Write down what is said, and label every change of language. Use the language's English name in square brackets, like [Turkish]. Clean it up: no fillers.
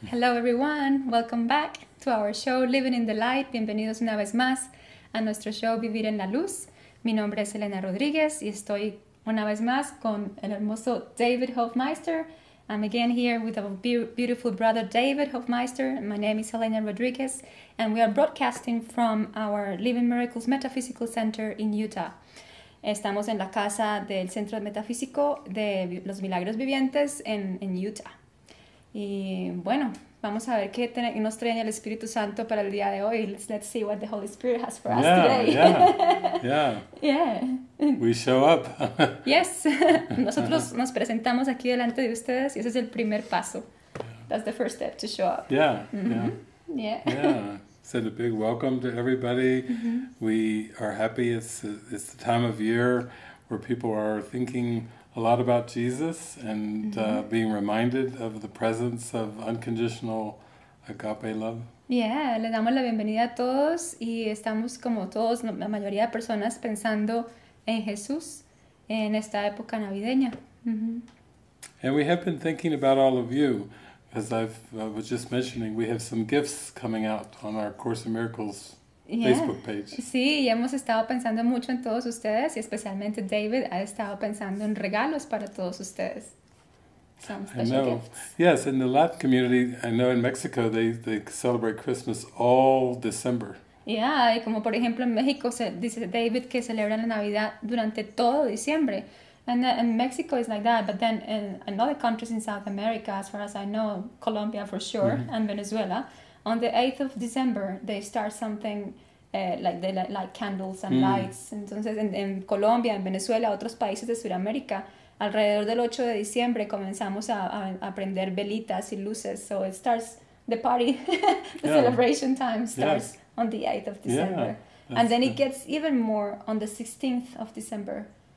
[English] Hello everyone, welcome back to our show Living in the Light. [Spanish] Bienvenidos una vez más a nuestro show Vivir en la Luz. Mi nombre es Helena Rodríguez y estoy una vez más con el hermoso David Hoffmeister. [English] I'm again here with our beautiful brother David Hoffmeister. My name is Helena Rodríguez and we are broadcasting from our Living Miracles Metaphysical Center in Utah. [Spanish] Estamos en la casa del Centro Metafísico de los Milagros Vivientes en Utah. Y bueno, vamos a ver qué nos trae el Espíritu Santo para el día de hoy. [English] Let's see what the Holy Spirit has for us today. Yeah. We show up. Yes. [Spanish] Nosotros nos presentamos aquí delante de ustedes y ese es el primer paso. [English] Yeah. That's the first step to show up. Yeah. Mm-hmm. Yeah. Yeah. Send a big welcome to everybody. Mm-hmm. We are happy. It's the time of year where people are thinking a lot about Jesus and being reminded of the presence of unconditional agape love. [Spanish] Yeah, le damos la bienvenida a todos y estamos como todos, la mayoría de personas pensando en Jesús en esta época navideña. [English] And we have been thinking about all of you. As I was just mentioning, we have some gifts coming out on our Course in Miracles Facebook page. [Spanish] Sí, y hemos estado pensando mucho en todos ustedes, y especialmente David ha estado pensando en regalos para todos ustedes. [English] Some special gifts. Yes, in the Latin community, I know in Mexico, they celebrate Christmas all December. [Spanish] Yeah, y como por ejemplo en México, dice David que celebran la Navidad durante todo diciembre. [English] And in Mexico is like that, but then in other countries in South America, as far as I know, Colombia for sure, and Venezuela, on the 8th of December, they start something like they light candles and lights. [Spanish] Entonces, en Colombia, en Venezuela, otros países de Sudamérica, alrededor del 8 de diciembre comenzamos a prender velitas y luces. [English] So it starts, the party, the celebration time starts on the 8th of December. Yeah, and then it gets even more on the 16th of December.